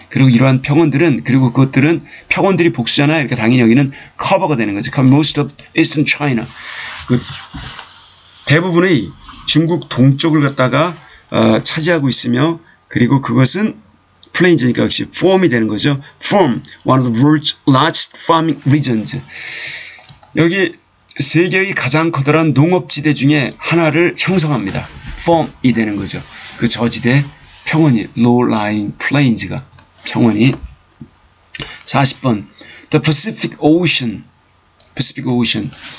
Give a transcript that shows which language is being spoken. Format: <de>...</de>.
<ko>그리고 이러한 평원들은 그리고 그것들은 평원들이 복수잖아요. 그러니까 당연히 여기는 커버가 되는 거죠.</ko> <en>Most of Eastern China.</en> <ko>그 대부분의 중국 동쪽을 갖다가 차지하고 있으며 그리고 그것은 플레인즈니까 역시 form이 되는 거죠.</ko> <en>Form, one of the world's largest farming regions.</en> <ko>여기 세계의 가장 커다란 농업지대 중에 하나를 형성합니다. Form이 되는 거죠. 그 저지대 평원이,</ko> <en>low-lying plains</en> <ko>가 평원이.</ko> <en>40번, the Pacific Ocean. Pacific Ocean.</en>